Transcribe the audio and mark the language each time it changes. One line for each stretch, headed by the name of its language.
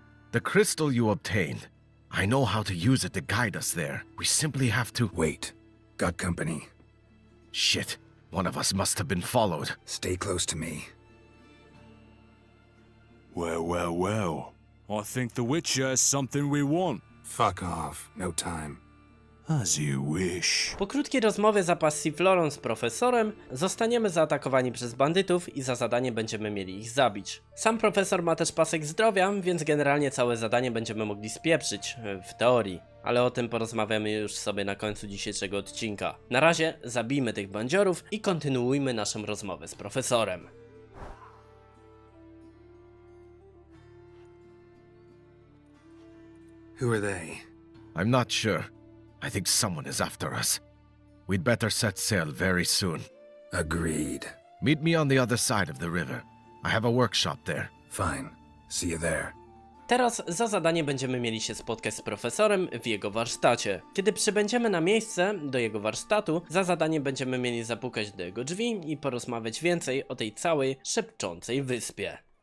English: The crystal you obtained, I know how to use it to guide us there. We simply have to— Wait. Got company. Shit. One of us must have been followed. Stay close to me. Well, well, well. I think the Witcher is something we want. Fuck off. No time. As you wish.
Polish: Po krótkiej rozmowie za Passiflorą z profesorem, zostaniemy zaatakowani przez bandytów i za zadanie będziemy mieli ich zabić. Sam profesor ma też pasek zdrowia, więc generalnie całe zadanie będziemy mogli spieprzyć, w teorii. Ale o tym porozmawiamy już sobie na końcu dzisiejszego odcinka. Na razie zabijmy tych bandziorów i kontynuujmy naszą rozmowę z profesorem.
English: Who are they? I'm not sure. I think someone is after us. We'd better set sail very soon. Agreed. Meet me on the other side of the river. I have a workshop there. Fine. See you there.
Polish: Teraz za zadanie będziemy mieli się spotkać z profesorem w jego warsztacie. Kiedy przybędziemy na miejsce do jego warsztatu, za zadanie będziemy mieli zapukać do jego drzwi i porozmawiać więcej o tej całej szepczącej wyspie.